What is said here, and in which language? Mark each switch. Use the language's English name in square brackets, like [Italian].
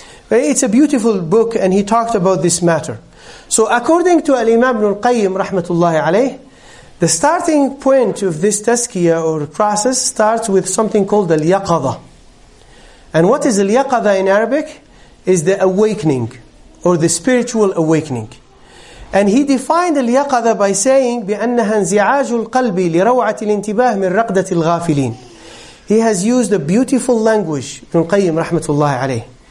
[English] It's a beautiful book, and he talked about this matter. So according to Al-Imam Ibn Al-Qayyim, rahmatullahi alayh, the starting point of this tazkiyah or process starts with something called al-yaqadha. And what is al-yaqadha in Arabic? Is the awakening, or the spiritual awakening. And he defined al-yaqadha by saying, [Arabic] بِأَنَّهَا انْزِعَاجُ الْقَلْبِ لِرَوْعَةِ الْإِنْتِبَاهِ مِنْ رَقْدَةِ الْغَافِلِينَ. [English] He has used a beautiful language, Ibn Al-Qayyim, rahmatullahi alayh.